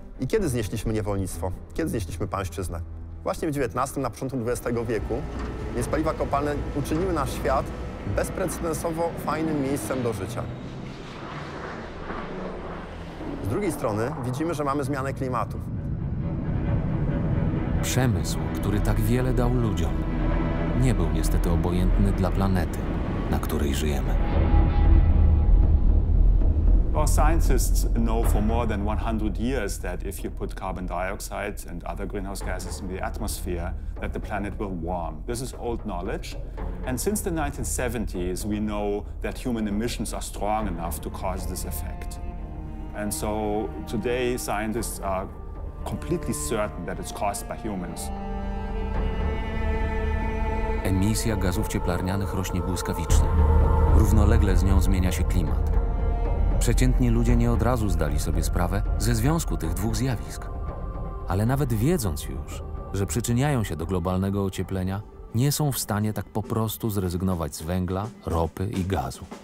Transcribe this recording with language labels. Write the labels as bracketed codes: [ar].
[pl] I kiedy znieśliśmy niewolnictwo? Kiedy znieśliśmy pańszczyznę? Właśnie w XIX, na początku XX wieku, więc paliwa kopalne uczyniły nasz świat bezprecedensowo fajnym miejscem do życia. Z drugiej strony widzimy, że mamy zmianę klimatu. Przemysł, który tak wiele dał ludziom, nie był niestety obojętny dla planety, na której żyjemy. [en] Well, scientists know for more than 100 years that if you put carbon dioxide and other greenhouse gases in the atmosphere, that the planet will warm. This is old knowledge. And since the 1970s, we know that human emissions are strong enough to cause this effect. And so today, scientists are completely certain that it's caused by humans. [pl] Emisja gazów cieplarnianych rośnie błyskawicznie. Równolegle z nią zmienia się klimat. Przeciętni ludzie nie od razu zdali sobie sprawę ze związku tych dwóch zjawisk. Ale nawet wiedząc już, że przyczyniają się do globalnego ocieplenia, nie są w stanie tak po prostu zrezygnować z węgla, ropy i gazu.